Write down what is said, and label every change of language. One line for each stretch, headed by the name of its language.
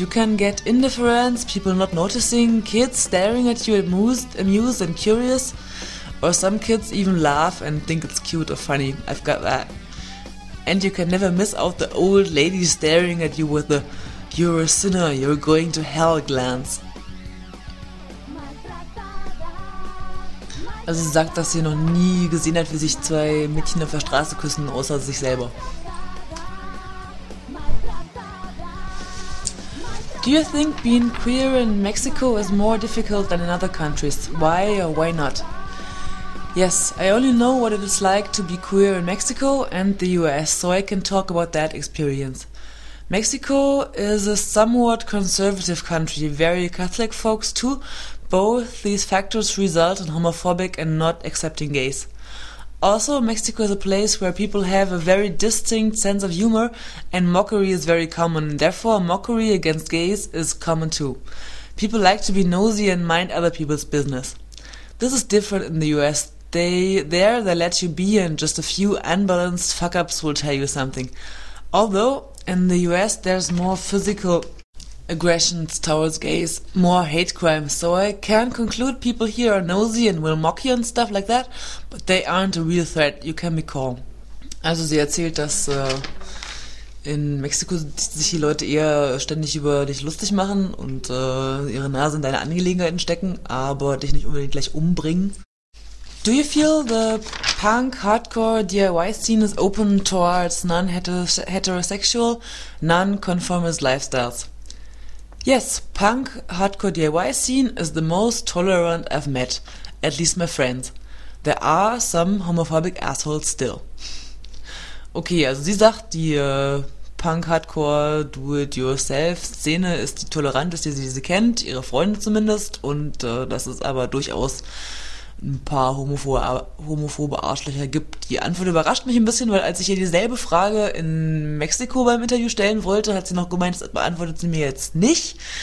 English: You can get indifference, people not noticing, kids staring at you amused and curious, or some kids even laugh and think it's cute or funny. I've got that. And you can never miss out the old lady staring at you with the "you're a sinner, you're going to hell" glance.
German: Also sie sagt, dass sie noch nie gesehen hat, wie sich zwei Mädchen auf der Straße küssen, außer sich selber.
English: Do you think being queer in Mexico is more difficult than in other countries? Why or why not? Yes, I only know what it is like to be queer in Mexico and the US, so I can talk about that experience. Mexico is a somewhat conservative country, very Catholic folks too. Both these factors result in homophobic and not accepting gays. Also, Mexico is a place where people have a very distinct sense of humor and mockery is very common. Therefore, mockery against gays is common too. People like to be nosy and mind other people's business. This is different in the US. There they let you be and just a few unbalanced fuck-ups will tell you something. Although, in the US there's more physical aggressions towards gays, more hate crimes, so I can conclude people here are nosy and will mock you and stuff like that, but they aren't a real threat, you can be calm.
German: Also sie erzählt, dass in Mexiko sich die Leute eher ständig über dich lustig machen und ihre Nase in deine Angelegenheiten stecken, aber dich nicht unbedingt gleich umbringen.
English: Do you feel the punk hardcore DIY scene is open towards non-heterosexual, non-conformist lifestyles? Yes, punk hardcore DIY scene is the most tolerant I've met, at least my friends. There are some homophobic assholes still.
German: Okay, also sie sagt, die punk hardcore do-it-yourself Szene ist die toleranteste, die sie kennt, ihre Freunde zumindest, und dass es aber durchaus ein paar homophobe Arschlöcher gibt. Die Antwort überrascht mich ein bisschen, weil als ich ihr dieselbe Frage in Mexiko beim Interview stellen wollte, hat sie noch gemeint, das beantwortet sie mir jetzt nicht.